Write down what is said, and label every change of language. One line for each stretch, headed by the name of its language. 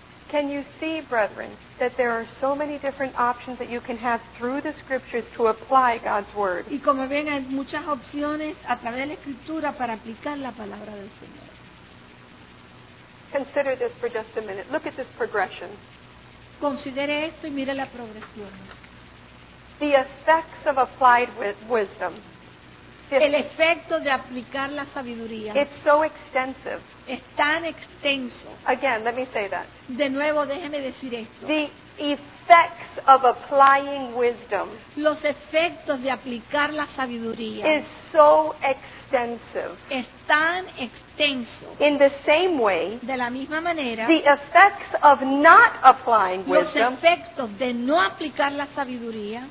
English: Can you see, brethren, that there are so many different options that you can have through the Scriptures to apply God's Word?
Spanish: Y como ven, hay muchas opciones a través de la Escritura para aplicar la Palabra del Señor.
English: Consider this for just a minute. Look at this progression.
Spanish: Considere esto y mire la progresión.
English: The effects of applied wisdom.
Spanish: El efecto de aplicar la sabiduría.
English: It's so extensive.
Spanish: Es tan extenso.
English: Again, let me say that.
Spanish: De nuevo, déjeme decir esto.
English: The effects of applying wisdom.
Spanish: Los efectos de aplicar la sabiduría.
English: Is so extensive.
Spanish: Es tan extenso.
English: In the same way.
Spanish: De la misma manera.
English: The effects of not applying wisdom.
Spanish: Los efectos de no aplicar la sabiduría.